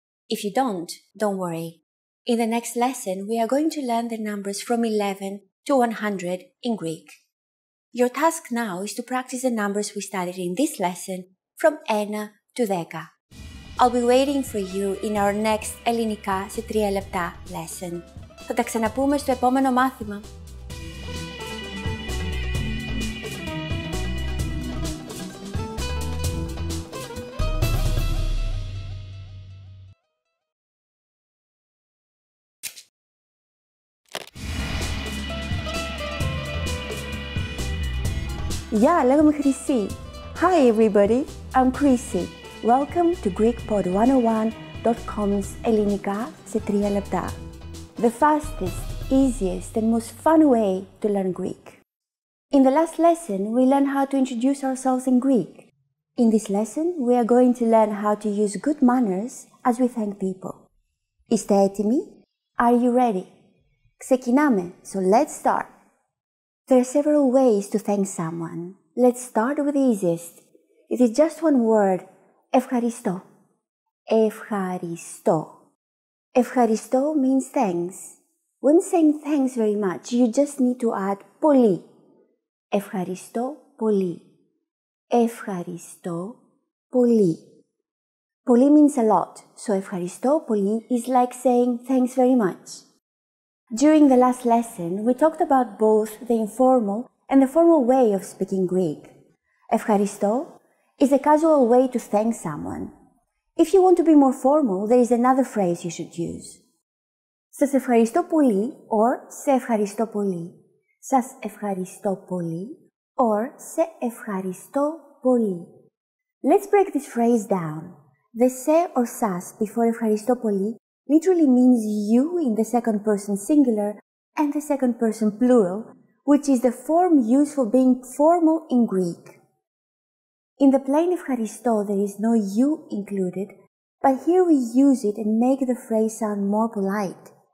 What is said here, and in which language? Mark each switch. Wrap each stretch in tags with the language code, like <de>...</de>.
<en>If you don't worry. In the next lesson, we are going to learn the numbers from 11 to 100 in Greek. Your task now is to practice the numbers we studied in this lesson from 1 to 10. I'll be waiting for you in our next</en> <el>Ελληνικά σε 3 λεπτά</el> <en>lesson.</en> <el>Θα τα ξαναπούμε στο επόμενο μάθημα.</el> <en>Yeah,</en> <el>λέγομαι Χρυσή.</el> <en>Hi everybody, I'm Chrissy. Welcome to GreekPod101.com's</en> <el>Ελληνικά σε 3 λεπτά.</el> <en>The fastest, easiest and most fun way to learn Greek. In the last lesson, we learned how to introduce ourselves in Greek. In this lesson, we are going to learn how to use good manners as we thank people.</en> <el>Είστε έτοιμοι?</el> <en>Are you ready?</en> <el>Ξεκινάμε,</el> <en>so let's start. There are several ways to thank someone. Let's start with the easiest. It is just one word.</en> <el>Ευχαριστώ. Ευχαριστώ.</el> <en>Ευχαριστώ means thanks. When saying thanks very much, you just need to add πολύ.</en> <el>Ευχαριστώ πολύ. Ευχαριστώ πολύ.</el> <en>Πολύ means a lot, so</en> <el>ευχαριστώ πολύ</el> <en>is like saying thanks very much. During the last lesson, we talked about both the informal and the formal way of speaking Greek. Ευχαριστώ is a casual way to thank someone. If you want to be more formal, there is another phrase you should use.</en> <el>Σας ευχαριστώ πολύ</el> <en>or</en> <el>σε ευχαριστώ πολύ. Σας ευχαριστώ πολύ</el> <en>or</en> <el>σε ευχαριστώ πολύ.</el> <en>Let's break this phrase down. The σε or σας before</en> <el>ευχαριστώ πολύ</el> <en>literally means you in the second person singular and the second person plural, which is the form used for being formal in Greek. In the plain ευχαριστώ, there is no you included, but here we use it and make the phrase sound more polite.</en>